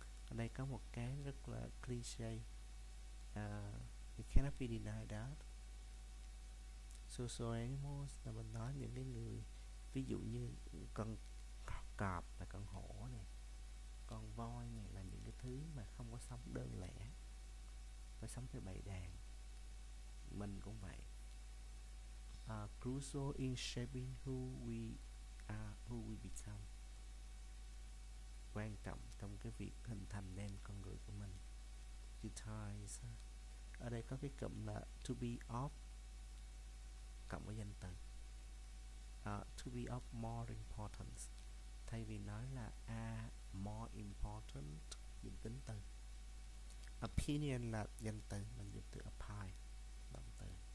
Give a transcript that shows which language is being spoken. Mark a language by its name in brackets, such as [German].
[Vietnamese] Ở đây có một cái rất là cliché, [English] you cannot be denied that. So [Vietnamese] social animals là mình nói những cái người ví dụ như con cọp là con hổ này, con voi này là những cái thứ mà không có sống đơn lẻ, phải sống theo bầy đàn. Mình cũng vậy. [English] Crucial in shaping who we are, who we become. [Vietnamese] Quan trọng trong cái việc hình thành nên con người của mình. Utilize. Ở đây có cái cụm là to be of, cộng với danh từ. [English] To be of more importance. [Vietnamese] Thay vì nói là [English] a more important, [Vietnamese] dùng tính từ. Opinion là danh từ, mình dùng từ apply, động từ.